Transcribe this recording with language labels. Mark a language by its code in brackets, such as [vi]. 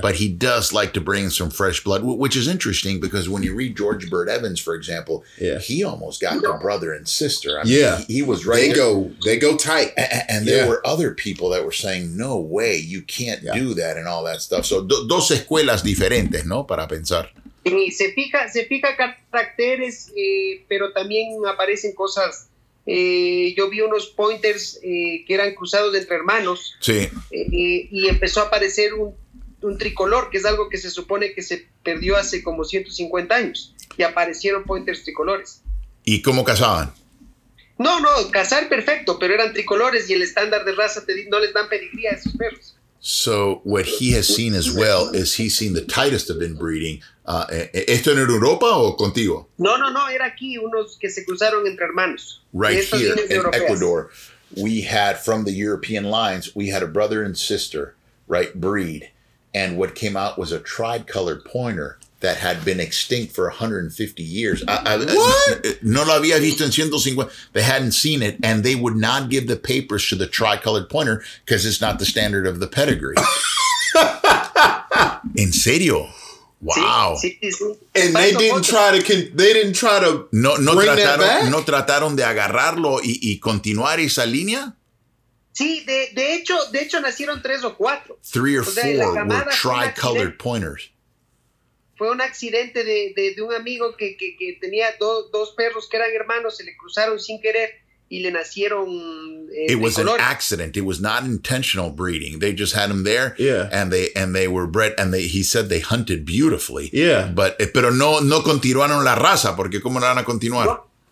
[en] But he does like to bring some fresh blood, which is interesting because when you read George Bird Evans, for example, he almost got the brother and sister. I mean, he was right. They go tight. And there were other people that were saying, no way, you can't do that and all that stuff. [es] So dos escuelas diferentes, ¿no? Para pensar. Sí, se fija caracteres, pero también aparecen cosas. Yo vi unos pointers que eran cruzados entre hermanos. Sí. Y empezó a aparecer un tricolor, que es algo que se supone que se perdió hace como 150 años. Y aparecieron pointers tricolores. ¿Y cómo cazaban? No, no, cazar perfecto, pero eran tricolores y el estándar de raza te, no les dan pedigría a esos perros. [en] So what he has seen as well is he's seen the tightest of inbreeding. [es] ¿Esto en Europa o contigo? No, no, no, era aquí unos que se cruzaron entre hermanos. [en] Right here in Ecuador, we had, from the European lines, we had a brother and sister, right, breed. And what came out was a tri-colored pointer that had been extinct for 150 years. [es] No lo había visto en 150. [en] They hadn't seen it, and they would not give the papers to the tri-colored pointer because it's not the standard of the pedigree. [es] ¿En serio? [en] Wow. And they didn't try to. They didn't try to. [es] No [en] bring [es] trataron. [en] That back? [es] No trataron de agarrarlo y continuar esa línea. Sí, de hecho nacieron tres o cuatro. [en] Three or four were tri-colored pointers. [es] Fue un accidente de un amigo que tenía dos perros que eran hermanos, se le cruzaron sin querer y le nacieron [en] It was an accident. It was not intentional breeding. They just had them there. Yeah. And they were bred, and he said they hunted beautifully. Yeah. [es] Pero no continuaron la raza, porque ¿cómo la van a continuar?